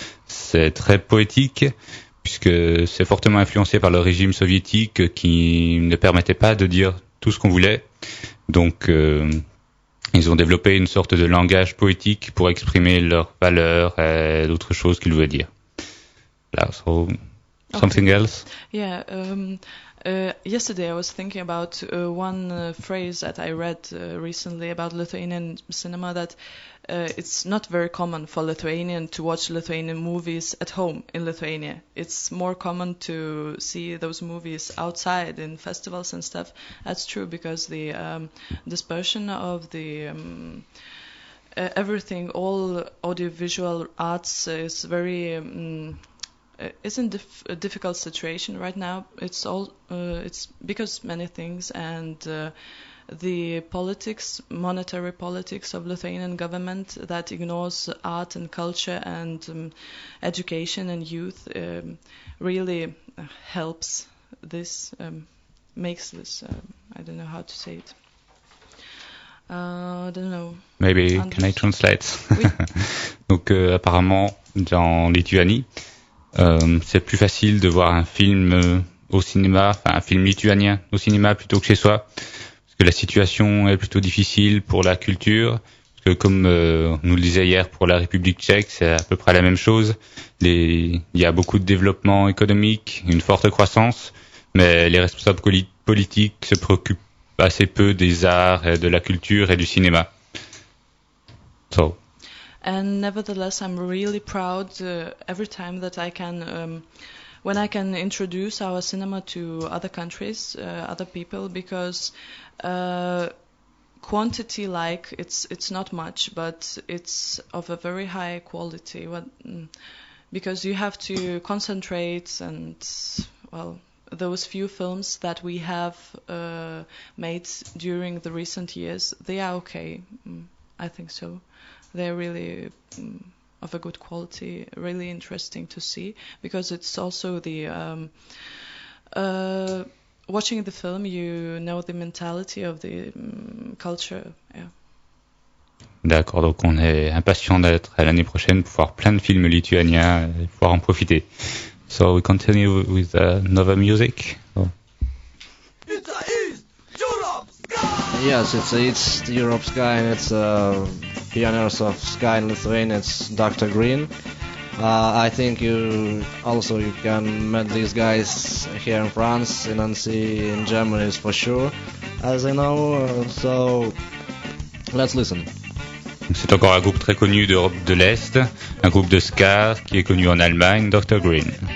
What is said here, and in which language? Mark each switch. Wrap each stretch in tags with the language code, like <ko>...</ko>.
<fr>C'est très poétique, puisque c'est fortement influencé par le régime soviétique qui ne permettait pas de dire tout ce qu'on voulait. Donc, ils ont développé une sorte de langage poétique pour exprimer leurs valeurs et d'autres choses qu'ils voulaient dire.</fr> <en>Là, so, something okay. else? Yeah, yesterday I was thinking about one phrase that I read recently about Lithuanian cinema, that it's not very common for Lithuanian to watch Lithuanian movies at home in Lithuania. It's more common to see those movies outside in festivals and stuff. That's true, because the dispersion of the everything, all audiovisual arts is very... a difficult situation right now. It's all it's because many things, and the politics, monetary politics of Lithuanian government that ignores art and culture and education and youth really helps this, makes this, I don't know how to say it. I don't know. Maybe, can I translate?</en> <fr>Oui. Donc apparemment, dans Lituanie, c'est plus facile de voir un film au cinéma, enfin un film lituanien au cinéma plutôt que chez soi, parce que la situation est plutôt difficile pour la culture, parce que comme nous le disait hier pour la République tchèque, c'est à peu près la même chose. Il y a beaucoup de développement économique, une forte croissance, mais les responsables politiques se préoccupent assez peu des arts, et de la culture et du cinéma.</fr> <en>So. And nevertheless, I'm really proud every time that I can, when I can introduce our cinema to other countries, other people, because quantity, like, it's not much, but it's of a very high quality. Because you have to concentrate, and well, those few films that we have made during the recent years, they are okay. I think so. They're really of a good quality, really interesting to see, because it's also the watching the film, you know the mentality of the culture. Yeah.</en> <fr>D'accord, donc on est impatient d'être l'année prochaine pour voir plein de films lituaniens et pouvoir en profiter.</fr> <en>So we continue with Nova Music. Oh. It's East Europe Sky! Yes, it's East Europe Sky, and it's pioneers of Sky in Lithuania, it's Dr. Green. I think you can meet these guys here in France, in Annecy, in Germany is for sure, as I know, so let's listen.</en> <fr>C'est encore un groupe très connu d'Europe de l'Est, un groupe de ska qui est connu en Allemagne, Dr. Green.</fr>